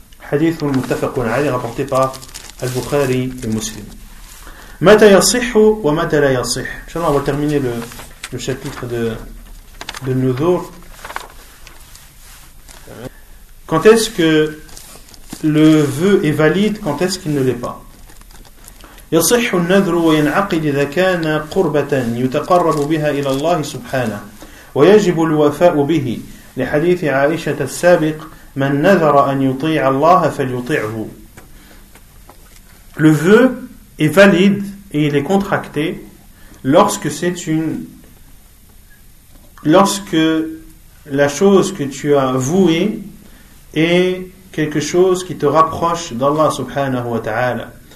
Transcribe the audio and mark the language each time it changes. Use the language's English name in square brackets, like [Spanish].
[French] Hadith al-Muttafaqun alayhi, rapporté par Al-Bukhari et Muslim. [Arabic] متى يصح ومتى لا يصح. إن شاء الله [French] on va terminer le chapitre de Nudhur. Quand est-ce que le vœu est valide, quand est-ce qu'il ne l'est pas. [Arabic] يصح النذر وينعقد إذا كان قربة يتقرب بها إلى الله سبحانه ويجب الوفاء به لحديث عائشة السابق من نذر أن يطيع الله فليطيعه. [French] Le vœu est valide et il est contracté lorsque c'est une, lorsque la chose que tu as vouée est quelque chose qui te rapproche d'Allah subhanahu wa ta'ala.